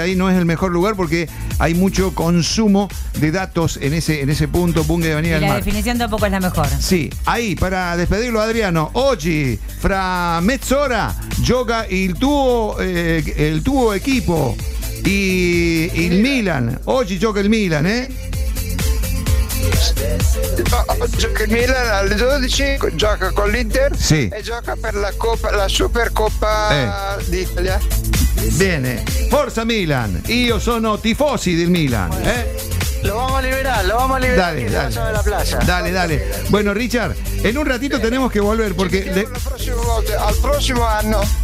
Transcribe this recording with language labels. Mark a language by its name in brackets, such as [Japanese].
[Spanish] Ahí no es el mejor lugar porque hay mucho consumo de datos en ese punto, Bunge de Avenida del Mar. La definición de a poco es la mejor. Sí, ahí, para despedirlo, Adriano, hoy, [Italian] fra mezz'ora, [Spanish] juega el tuo equipo y el Milan. Hoy juega el Milan, [Italian] gioca il Milan alle 12, gioca con l'Inter, sì, e gioca per la Coppa, la Supercoppa, d'Italia. Bene, forza Milan, io sono tifosi del Milan, [Spanish] Lo vamos a liberar. Dale, que dale. Se vaya a la playa. Dale, dale. Bueno, Richard, en un ratito tenemos que volver porque. Al próximo lote, al próximo año.